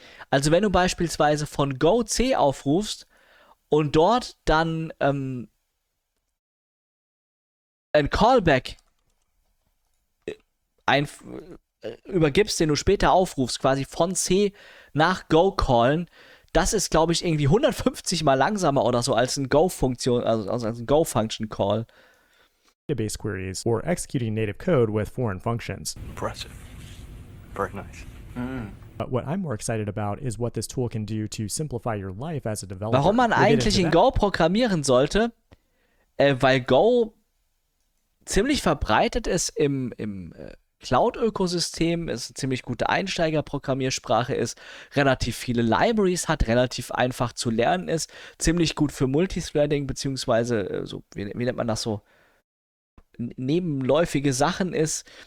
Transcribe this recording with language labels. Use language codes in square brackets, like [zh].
[de] Also wenn du beispielsweise von Go C aufrufst und dort dann ein Callback übergibst, den du später aufrufst, quasi von C nach Go callen, das ist, glaube ich, irgendwie 150 mal langsamer oder so als ein Go-Funktion, also als ein Go-Function-Call. [en] Database queries or executing native code with foreign functions. Impressive. Very nice. But what I'm more excited about is what this tool can do to simplify your life as a developer. [de] Warum man eigentlich in Go programmieren sollte, weil Go ziemlich verbreitet ist im Cloud-Ökosystem, ist eine ziemlich gute Einsteiger-Programmiersprache ist, relativ viele Libraries hat, relativ einfach zu lernen ist, ziemlich gut für Multithreading, beziehungsweise so, wie nennt man das so, nebenläufige Sachen ist.